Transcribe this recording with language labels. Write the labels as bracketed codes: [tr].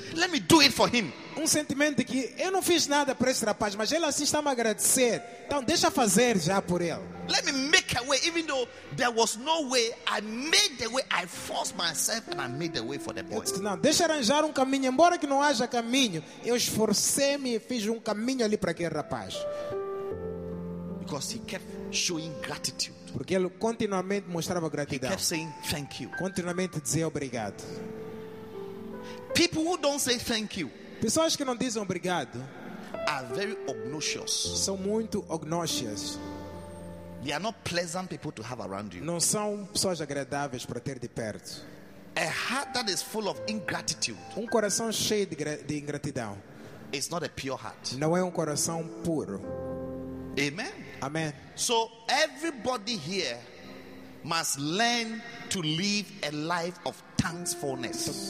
[en] Let me do it for him. [pt] Um sentimento de que eu não fiz nada para esse rapaz, mas ele assim está a me agradecer. Então deixa fazer já por ele. [en] Let me make a way, even though there was no way. I made the way. I forced myself and I made the way for the boy. [pt] Disse, não, deixa arranjar um caminho, embora que não haja caminho. Eu esforcei-me e fiz um caminho ali para aquele rapaz. [en] Because he kept showing gratitude. [pt] Porque ele continuamente mostrava gratidão. [en] He kept saying thank you. [pt] Continuamente dizia obrigado. [en] People who don't say thank you, [pt] pessoas que não dizem obrigado, [en] are very obnoxious. [pt] São muito obnoxious. [en] They are not pleasant people to have around you. [pt] Não são pessoas agradáveis para ter de perto. [en] A heart that is full of ingratitude, [pt] um coração cheio de ingratidão, [en] is not a pure heart. [pt] Não é um coração puro. [en] Amen. [pt] Amen. [en] So everybody here must learn to live a life of thankfulness.